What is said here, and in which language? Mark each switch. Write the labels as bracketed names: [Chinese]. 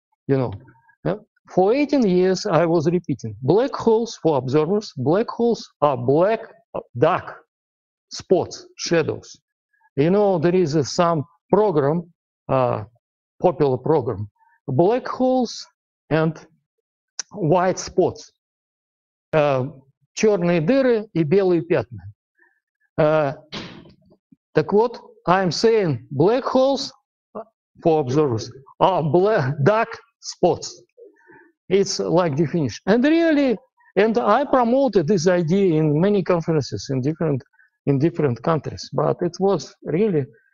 [English] You know, for 18 years, I was repeating, black holes for observers, black holes are black dark spots, shadows. You know, there is some program, popular program, black holes and white spots. [Russian] Черные дыры и белые пятна. Так вот, [English] I'm saying black holes for observers are black dark spots. It's like definition. And really, and I promoted this idea in many conferences in different countries, but it was really.